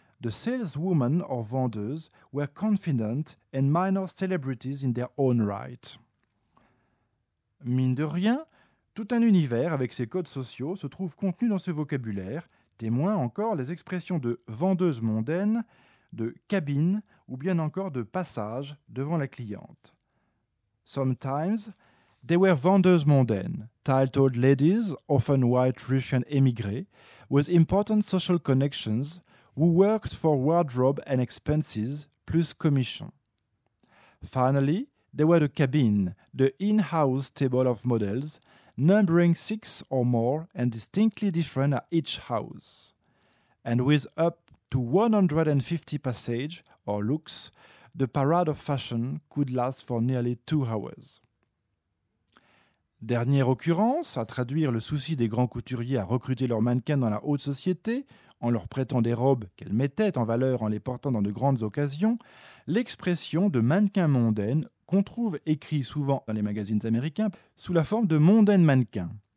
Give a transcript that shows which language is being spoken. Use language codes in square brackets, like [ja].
[en] The saleswomen or vendeuses were confident and minor celebrities in their own right. [fr] Mine de rien, tout un univers avec ses codes sociaux se trouve contenu dans ce vocabulaire, témoin encore les expressions de vendeuse mondaine, de cabine ou bien encore de passage devant la cliente. [en] Sometimes, they were vendeuses mondaines, titled ladies, often white Russian émigrés, with important social connections, who worked for wardrobe and expenses, plus commission. Finally, there were the cabin, the in-house table of models, numbering six or more and distinctly different at each house. And with up to 150 passages, or looks, the parade of fashion could last for nearly 2 hours. [fr] Dernière occurrence, à traduire le souci des grands couturiers à recruter leurs mannequins dans la haute société, en leur prêtant des robes qu'elles mettaient en valeur en les portant dans de grandes occasions, l'expression de mannequin mondaine qu'on trouve écrit souvent dans les magazines américains sous la forme de mondaine mannequin.